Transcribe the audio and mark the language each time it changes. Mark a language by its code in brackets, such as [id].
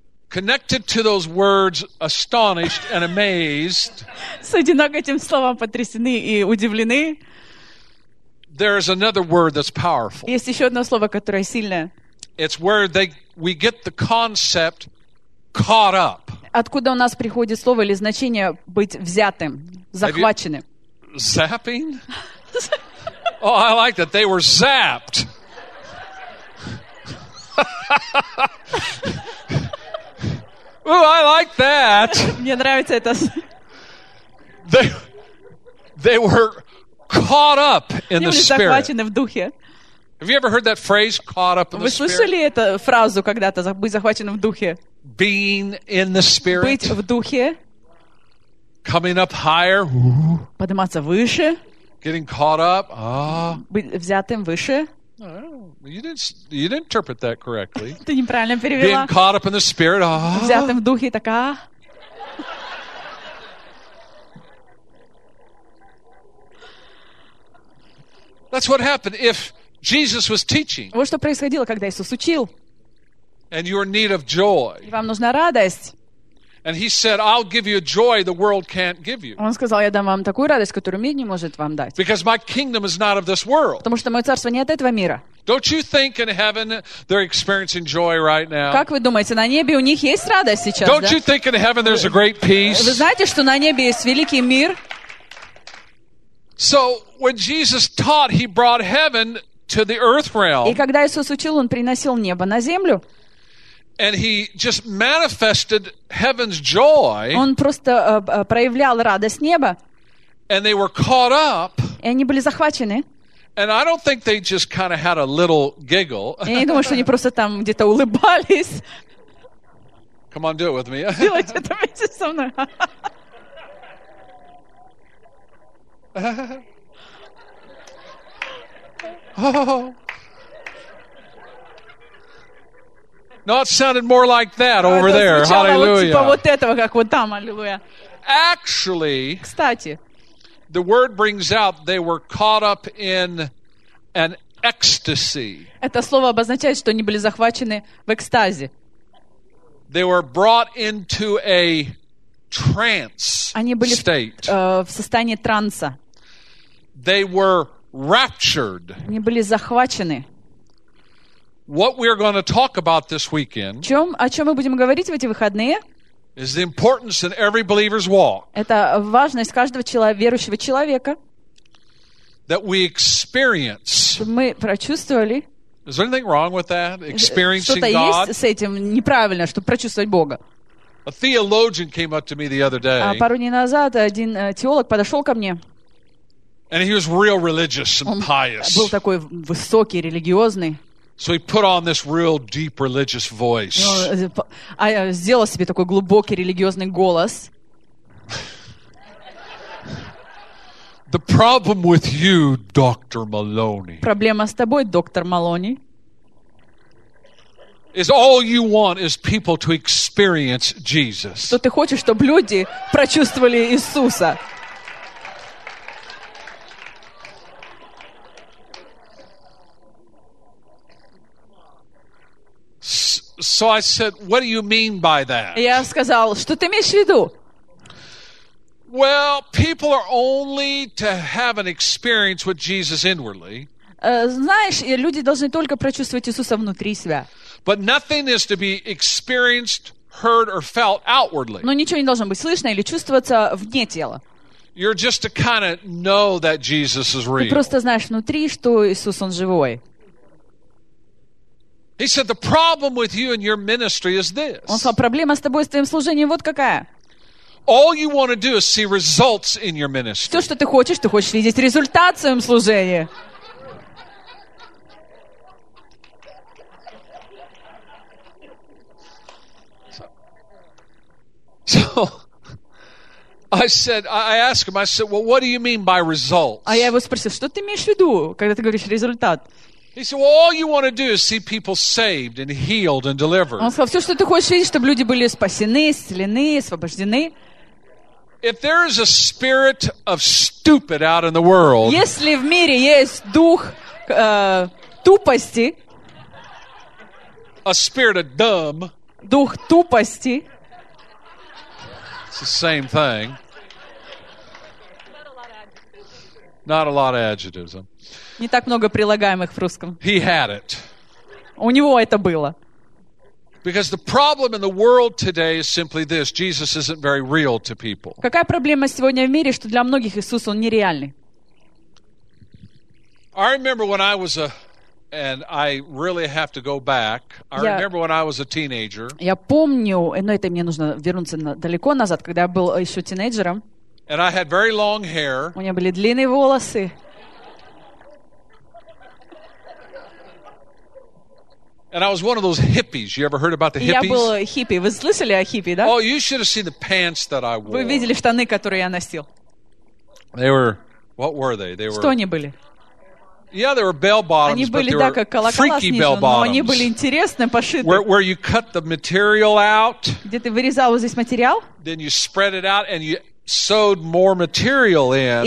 [en] Connected to those words, astonished and amazed. [ru] Соединено к этим словам потрясены и удивлены. [en] There is another word that's powerful. [ru] Есть еще одно слово, которое сильное. [en] It's where we get the concept caught up. [ru] Откуда у нас приходит слово или значение быть взятым, захваченным? [en] Zapping? Oh, I like that. They were zapped. Oh, I like that. [ru] Мне нравится это. [en] They were caught up in the spirit. [ru] Они были захвачены в духе. [en] Have you ever heard that phrase, caught up in the spirit? [ru] Вы слышали эту фразу когда-то, быть захваченным в духе? [en] Being in the spirit. [ru] Быть в духе. [en] Coming up higher. [ru] Подниматься выше. [en] Getting caught up. [ru] Быть взятым выше. [en] You didn't interpret that correctly. [ru] Ты неправильно перевела. [en] Being caught up in the spirit. [ru] Взятым в духе, так. [en] That's what happened if Jesus was teaching. [ru] Вот что происходило, когда Иисус учил. [en] And you're in need of joy. [ru] И вам нужна радость. [en] And he said, "I'll give you a joy the world can't give you." [ru] Он сказал, я дам вам такую радость, которую мир не может вам дать. [en] Because my kingdom is not of this world. [ru] Потому что мое царство не от этого мира. [en] Don't you think in heaven they're experiencing joy right now? [ru] Как вы думаете, на небе у них есть радость сейчас? [en] Don't you think in heaven there's a great peace? [ru] Вы знаете, что на небе есть великий мир? [en] So when Jesus taught, he brought heaven to the earth realm. [ru] И когда Иисус учил, он приносил небо на землю. [en] And he just manifested heaven's joy. [ru] Он просто проявлял радость неба. [en] And they were caught up. [ru] И они были захвачены. [en] And I don't think they just kind of had a little giggle. [ru] Я не думаю, что они просто там где-то улыбались. [en] Come on, do it with me. [ru] Делайте это вместе со мной. Oh. [en] No, it sounded more like that over there. Hallelujah. [ru] Типа вот этого, как вот там, аллилуйя. [en] Actually, [ru] кстати, [en] the word brings out they were caught up in an ecstasy. [ru] Это слово обозначает, что они были захвачены в экстазе. [en] They were brought into a trance state. [ru] Они были в состоянии транса. [en] They were raptured. [ru] Они были захвачены. [en] What we are going to talk about this weekend? [ru] О чем мы будем говорить в эти выходные? [en] Is the importance in every believer's walk? [ru] Это важность каждого верующего человека. [en] That we experience. [ru] Мы прочувствовали. [en] Is there anything wrong with that? Experiencing God? [ru] Что-то есть с этим неправильно, чтобы прочувствовать Бога? [en] A theologian came up to me the other day. [ru] Пару дней назад один теолог подошел ко мне. [en] And he was real religious and pious. [ru] Был такой высокий, религиозный. [en] So he put on this real deep religious voice. [ru] Я сделал себе такой глубокий религиозный голос. [en] The problem with you, Dr. Maloney. [ru] Проблема с тобой, доктор Малони. [en] Is all you want is people to experience Jesus. [ru] Что ты хочешь, чтобы люди прочувствовали Иисуса? [en] So I said, what do you mean by that? [ru] Я сказал, что ты имеешь в виду? [en] Well, people are only to have an experience with Jesus inwardly. [ru] Знаешь, люди должны только прочувствовать Иисуса внутри себя. [en] But nothing is to be experienced, heard or felt outwardly. [ru] Но ничего не должно быть слышно или чувствоваться вне тела. [en] You're just to kind of know that Jesus is real. [ru] Ты просто знаешь внутри, что Иисус он живой. [en] He said, "The problem with you and your ministry is this." [ru] Он сказал, проблема с тобой и с твоим служением вот какая. [en] All you want to do is see results in your ministry. [ru] Все, что ты хочешь видеть результат в своем служении. [en] So I said, I asked him. I said, "Well, what do you mean by results?" [ru] А я его спросил, что ты имеешь в виду, когда ты говоришь результат? [en] He said, "Well, all you want to do is see people saved and healed and delivered." [ru] Он сказал, все, что ты хочешь видеть, чтобы люди были спасены, исцелены, освобождены. [en] If there is a spirit of stupid out in the world, [ru] если в мире есть дух тупости, [en] a spirit of dumb, [ru] дух тупости, [en] it's the same thing. Not a lot of adjectives. [ru] Не так много прилагаемых в русском. [en] He had it. [ru] У него это было. [en] Because the problem in the world today is simply this: Jesus isn't very real to people. [ru] Какая проблема сегодня в мире, что для многих Иисус он нереальный? [en] I remember when I was a And I really have to go back. I remember when I was a teenager. [ru] Я помню, но это мне нужно вернуться далеко назад, когда я был еще тинейджером. [en] And I had very long hair. [ru] У меня были длинные волосы. [en] And I was one of those hippies. You ever heard about the hippies? [ru] Я был хиппи. Вы слышали о хиппи, да? [en] Oh, you should have seen the pants that I wore. [ru] Вы видели штаны, которые я носил? [en] They were. What were they? They were. [ru] Что они были? [en] Yeah, they were bell bottoms, [ru] они были, [en] but they were freaky bell bottoms. [ru] Они были интересны, пошиты. [en] Where you cut the material out? [ru] Где ты вырезал вот здесь материал? [en] Then you spread it out and you sewed more material in.